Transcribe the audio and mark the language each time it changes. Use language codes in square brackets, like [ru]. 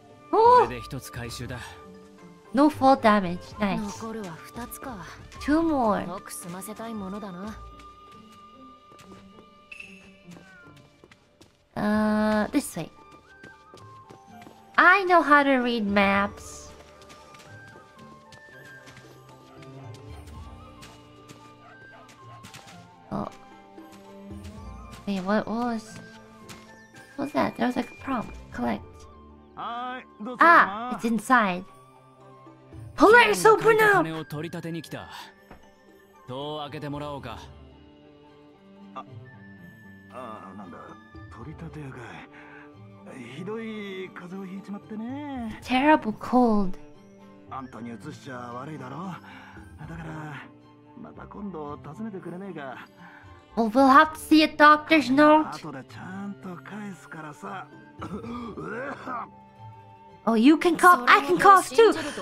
[ja] これで一つ回収だ。 [en] No fall damage. Nice. [ja] 残るは二つか。 [en] Two more. [ja] よく済ませたいものだな。 [en] This way. I know how to read maps. Oh. Wait, what was? What's that? There was like a prompt. Collect. Ah, it's inside. Police, open up! [ja] 金を取り立てに来た。どう開けてもらおうか。あ、なんだ、取り立て屋が。ひどい風邪をひいちまってね。 [en] Terrible cold. [ja] あんたに移しちゃ悪いだろ。だから、また今度訪ねてくれねえか。 [en] Well, we'll have to see a doctor's note. [ja] 後でちゃんと返すからさ。 [en] Oh, you can cough, I can cough too!